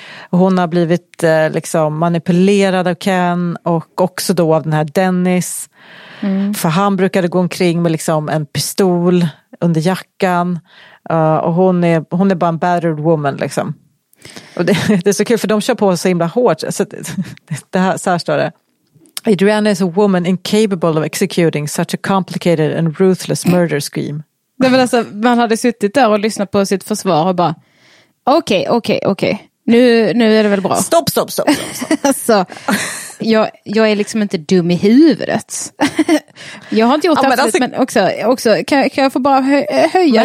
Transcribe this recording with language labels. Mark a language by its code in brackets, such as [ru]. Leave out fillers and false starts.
[sv] Hon har blivit liksom manipulerad av Ken och också då av den här Dennis. Mm. För han brukade gå omkring med liksom en pistol under jackan. Och hon är bara en battered woman liksom. Och det är så kul för de kör på så himla hårt. Så här står det. [en] Adriana is a woman incapable of executing such a complicated and ruthless murder scheme. [sv] Nej, men alltså, man hade suttit där och lyssnat på sitt försvar och bara, okej. Nu är det väl bra. Stopp. Alltså, jag är liksom inte dum i huvudet. Jag har inte gjort absolut, men också kan jag få bara höja?